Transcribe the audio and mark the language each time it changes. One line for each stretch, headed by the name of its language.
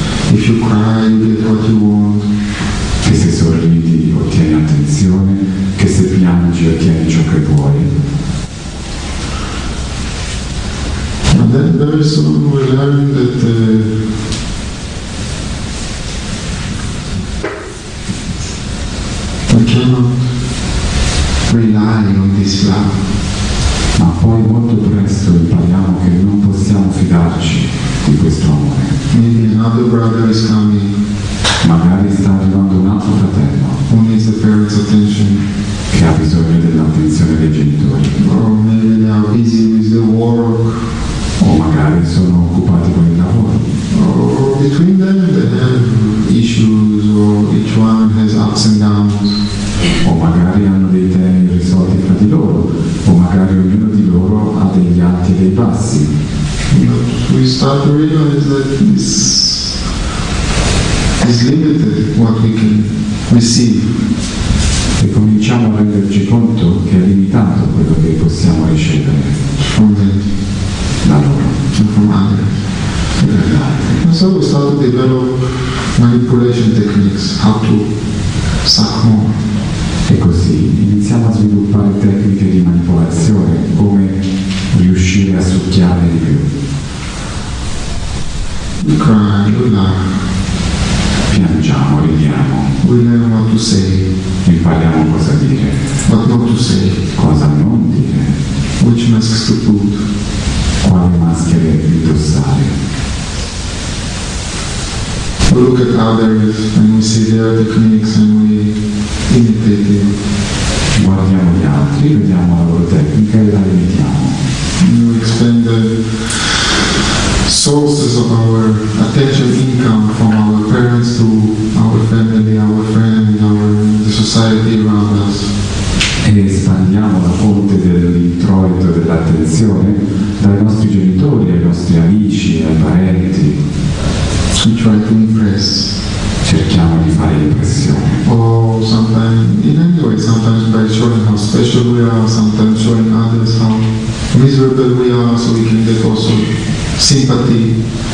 English: If you cry, you get what you want.
Italian: Che se sorridi ottieni attenzione, che se piangi ottieni ciò che vuoi.
English: And then very soon we learn that we cannot rely on this love.
Italian: Ma poi molto presto impariamo che non possiamo fidarci di questo amore.
English: Maybe another brother is coming.
Italian: Magari sta arrivando un altro fratello.
English: Who needs the parents' attention.
Italian: Che ha bisogno dell'attenzione dei genitori.
English: Or maybe they are busy with the work.
Italian: O magari sono occupati con il lavoro.
English: Or between them they have issues, or each one has ups and downs.
Italian: O magari hanno dei temi risolti fra di loro. O magari ognuno di loro ha degli alti e dei bassi.
English: But we start to realize that this is limited what we can receive.
Italian: E cominciamo a renderci conto che è limitato quello che possiamo ricevere.
English: From the
Italian: da loro.
English: And from others. And so we start to develop manipulation techniques, how to suck more.
Italian: E così iniziamo a sviluppare tecniche di manipolazione, come riuscire a succhiare di più.
English: We cry, we laugh.
Italian: Piangiamo, ridiamo.
English: We learn what to say.
Italian: Impariamo cosa dire.
English: What not to say.
Italian: Cosa non dire.
English: Which masks to put.
Italian: Quale maschere indossare.
English: We look at others and we see their techniques and we imitate them.
Italian: Guardiamo gli altri, vediamo la loro tecnica e la imitiamo.
English: We expand the sources of our attention income from our parents to our family, our friends, the society around us.
Italian: E espandiamo la fonte dell'introito dell'attenzione dai nostri genitori, ai nostri amici, ai parenti.
English: We try to impress.
Italian: Cerchiamo di fare impressione.
English: Or sometimes, in any way, sometimes by showing how special we are, sometimes showing others how miserable we are, so we can get also sympathy.